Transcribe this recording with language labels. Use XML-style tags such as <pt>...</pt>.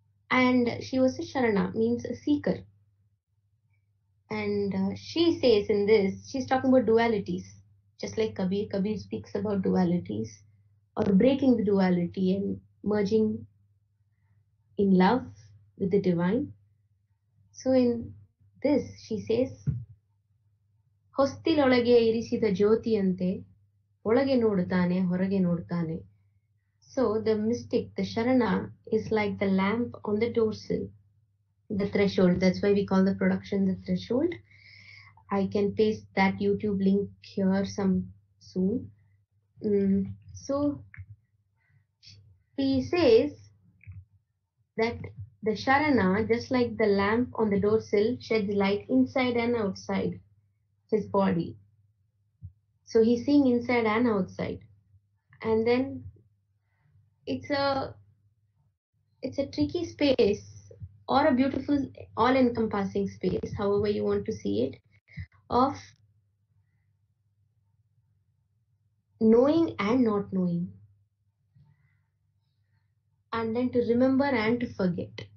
<en>And she was a Sharana, means a seeker. And she says in this, she's talking about dualities. Just like Kabir speaks about dualities, or breaking the duality and merging in love with the divine. So in this, she says,</en> <kn>ಹೊಸ್ತಿಲೊಳಗೆ ಇರಿಸಿದ ಜ್ಯೋತಿಯಂತೆ ಒಳಗೆ ನೋಡುತ್ತಾನೆ ಹೊರಗೆ ನೋಡುತ್ತಾನೆ.</kn> <en>So the mystic, the sharana is like the lamp on the doorsill, the threshold. That's why we call the production the threshold. I can paste that YouTube link here some soon. So he says that the sharana, just like the lamp on the door sill, sheds light inside and outside his body. So he's seeing inside and outside. And then it's a tricky space, or a beautiful all-encompassing space, however you want to see it, of knowing and not knowing, and then to remember and to forget.</en>